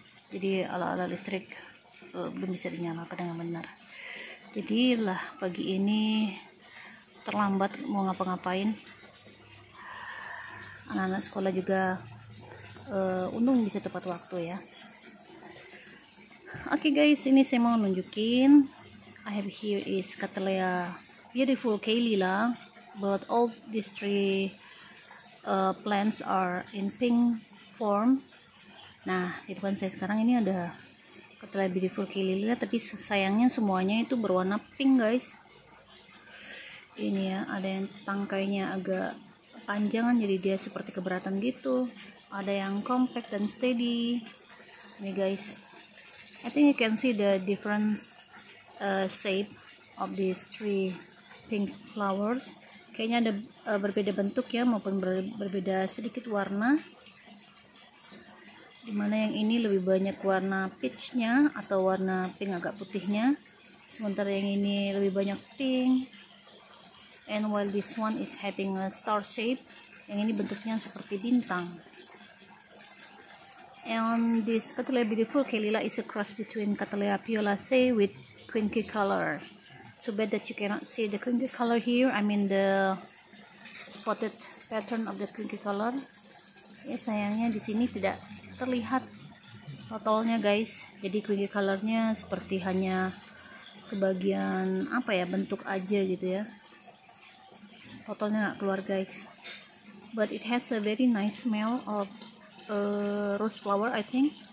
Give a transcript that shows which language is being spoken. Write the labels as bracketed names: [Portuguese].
[Indonesian] Jadi ala-ala listrik belum bisa dinyalakan dengan benar. Jadilah pagi ini terlambat mau ngapa-ngapain. Anak-anak sekolah juga untung bisa tepat waktu ya. Okay guys, ini saya mau nunjukin. [English] I have here is Cattleya beautiful calila, but all these three plants are in pink form. [Indonesian] Nah, di depan saya sekarang ini ada Cattleya beautiful calila, tapi sayangnya semuanya itu berwarna pink guys. Ini ya, ada yang tangkainya agak panjangan jadi dia seperti keberatan gitu. Ada yang compact dan steady. Ini guys, [English] I think you can see the difference shape of these three pink flowers. [Indonesian] Kayaknya ada berbeda bentuk ya, maupun berbeda sedikit warna. Dimana yang ini lebih banyak warna peach-nya atau warna pink agak putihnya. Sementara yang ini lebih banyak pink. [English] And while this one is having a star shape, [Indonesian] yang ini bentuknya seperti bintang. [English] And this Cattleya beautiful calila is a cross between Cattleya violacea with quinky color. Too bad that you cannot see the quinky color here. I mean the spotted pattern of the quinky color. [Indonesian] Ya sayangnya di sini tidak terlihat totalnya guys. Jadi quinky colornya seperti hanya kebagian apa ya, bentuk aja gitu ya. Totalnya nggak keluar guys. [English] But it has a very nice smell of rose flower, I think.